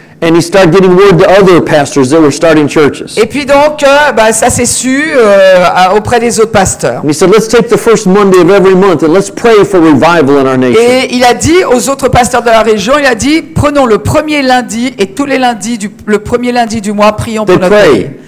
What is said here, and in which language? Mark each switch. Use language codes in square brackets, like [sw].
[en] And he started getting word to other pastors that were starting churches. [fr] Et puis donc ça s'est su auprès des autres pasteurs. [en] And he said, let's take the first Monday of every month and let's pray for revival in our nation. [fr] Et il a dit aux autres pasteurs de la région, il a dit, prenons le premier lundi et tous les lundis le premier lundi du mois, prions pour notre pays.